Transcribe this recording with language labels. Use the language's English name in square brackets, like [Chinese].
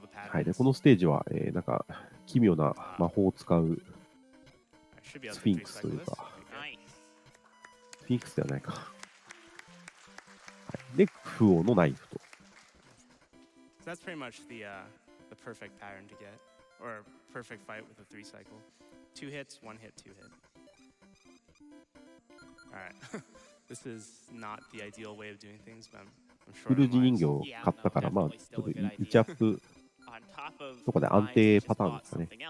[Japanese] はい、でこのステージは、なんか奇妙な魔法を使うスフィンクスというか、フィンクスではないか、はい、で、クフ王のナイフと。 [English] So that's pretty much the perfect pattern to get, or perfect fight with a three cycle. Two hits, one hit, two hit. Alright, this is not the ideal way of doing things, but I'm sure. [Japanese] 古地人形買ったから、まあちょっと一アップとかで安定パターンですね。